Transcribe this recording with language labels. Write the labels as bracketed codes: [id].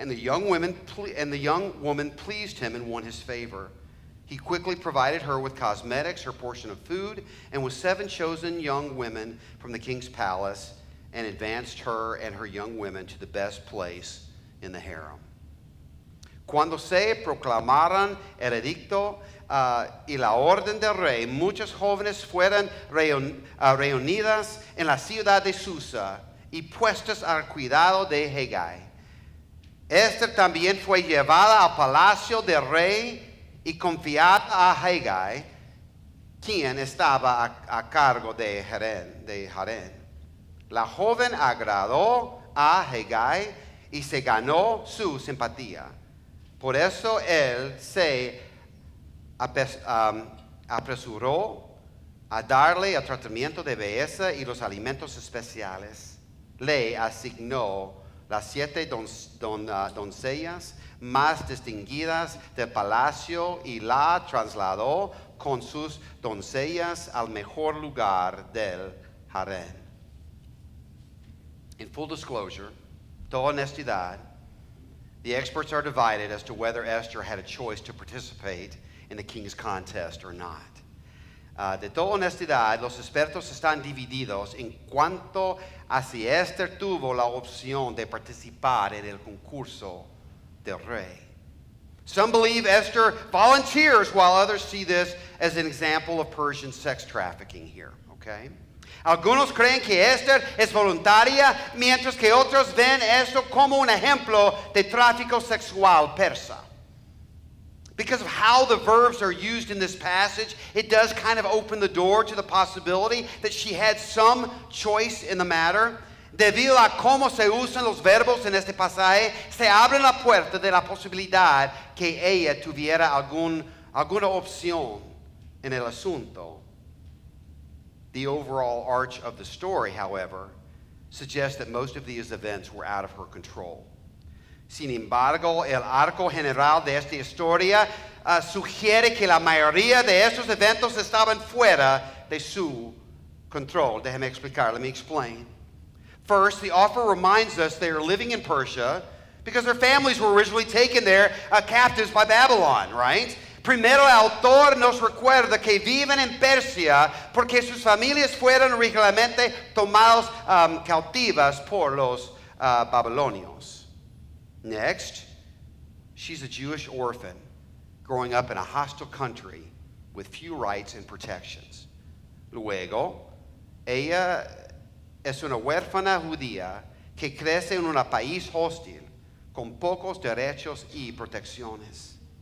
[en] And the young woman pleased him and won his favor. He quickly provided her with cosmetics, her portion of food, and with seven chosen young women from the king's palace, and advanced her and her young women to the best place in the harem. [es] Cuando se proclamaron el edicto y la orden del rey, muchas jóvenes fueron reunidas en la ciudad de Susa y puestas al cuidado de Haggai. Esther también fue llevada al palacio del rey y confiada a Haggai, quien estaba a cargo de Harén. La joven agradó a Haggai y se ganó su simpatía. Por eso él se apresuró a darle el tratamiento de belleza y los alimentos especiales. Le asignó las siete doncellas más distinguidas del palacio y la trasladó con sus doncellas al mejor lugar del harén. [en] In full disclosure, [es] toda honestidad, [en] the experts are divided as to whether Esther had a choice to participate in the king's contest or not. [es] De toda honestidad, los expertos están divididos en cuanto a si Esther tuvo la opción de participar en el concurso del rey. [en] Some believe Esther volunteers, while others see this as an example of Persian sex trafficking here, okay? [es] Algunos creen que Esther es voluntaria, mientras que otros ven esto como un ejemplo de tráfico sexual persa. [en] Because of how the verbs are used in this passage, it does kind of open the door to the possibility that she had some choice in the matter. [es] Debido a cómo se usan los verbos en este pasaje, se abre la puerta de la posibilidad que ella tuviera alguna opción en el asunto. [en] The overall arch of the story, however, suggests that most of these events were out of her control. [es] Sin embargo, el arco general de esta historia sugiere que la mayoría de estos eventos estaban fuera de su control. Déjeme explicar. [en] Let me explain. First, the author reminds us they are living in Persia because their families were originally taken there captives by Babylon, right? [es] Primero, el autor nos recuerda que viven en Persia porque sus familias fueron originalmente tomadas cautivas por los babilonios. [en] Next, she's a Jewish orphan growing up in a hostile country with few rights and protections. [es] Luego, ella es una huérfana judía que crece en un país hostil con pocos derechos y protecciones.